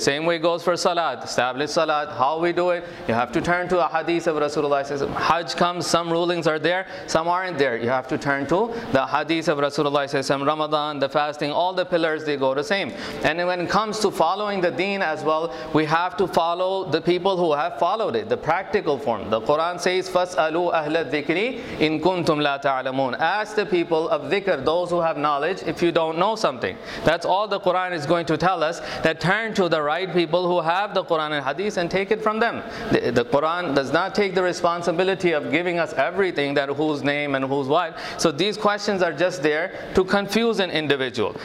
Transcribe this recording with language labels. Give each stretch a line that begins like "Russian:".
English: Same way goes for Salat. Establish Salat. How we do it? You have to turn to a hadith of Rasulullah. Hajj comes, some rulings are there, some aren't there. You have to turn to the hadith of Rasulullah. Ramadan, the fasting, all the pillars, they go the same. And when it comes to following the deen as well, we have to follow the people who have followed it, the practical form.
Arabic: The Quran says, فَاسْأَلُوا أَهْلَ الذِّكْرِ إِن كُنْتُمْ لَا تَعْلَمُونَ.
English: Ask the people of dhikr, those who have knowledge, if you don't know something. That's all the Quran is going to tell us. That turn to the right people who have the Quran and Hadith and take it from them. The Quran does not take the responsibility of giving us everything, that whose name and whose what. So these questions are just there to confuse an individual.